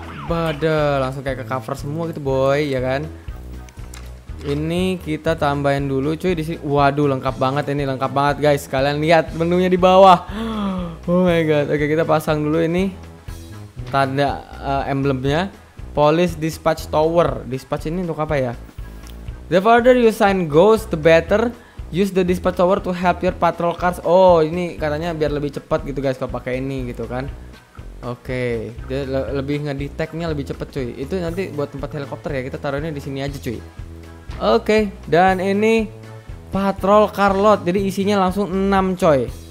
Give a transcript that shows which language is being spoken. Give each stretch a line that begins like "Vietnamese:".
Indonesian: Badah, langsung kayak ke cover semua gitu boy, ya kan. Ini kita tambahin dulu cuy di sini. Waduh lengkap banget ini, lengkap banget guys. Kalian lihat menunya di bawah.
English: Oh my god.
Indonesian: Oke, kita pasang dulu ini tanda emblemnya. Police Dispatch Tower. Dispatch ini untuk apa ya?
English: The further you sign goes the better. Use the dispatch tower to help your patrol cars.
Indonesian: Oh, ini katanya biar lebih cepat gitu guys kalau pakai ini gitu kan. Oke. Jadi lebih ngedeteknya lebih cepat cuy. Itu nanti buat tempat helikopter ya. Kita taruhnya di sini aja cuy. Oke, dan ini patrol car lot, jadi isinya langsung 6 coy.